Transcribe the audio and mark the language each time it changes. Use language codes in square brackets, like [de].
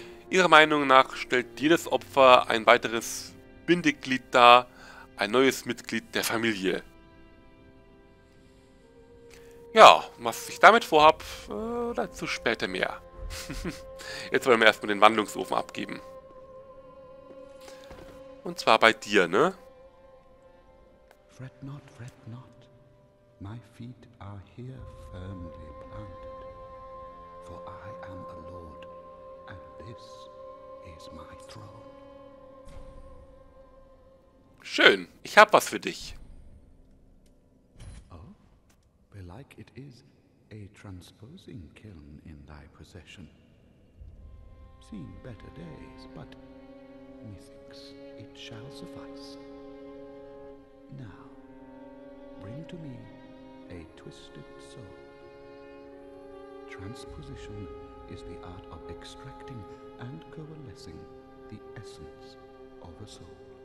[de] Ihrer Meinung nach stellt jedes Opfer ein weiteres Bindeglied dar, ein neues Mitglied der Familie. Ja, was ich damit vorhab, dazu später mehr. Jetzt wollen wir erstmal den Wandlungsofen abgeben. Und zwar bei dir, ne? [en] Fret not, my feet are here firmly planted, for I am a lord, and this is my throne. [de] Schön, ich hab was für dich. [en] Oh, belike it is a transposing kiln in thy possession. Seen better days, but methinks it shall suffice. Now. Bring to me a twisted soul. Transposition is the art of extracting and coalescing the essence of a soul.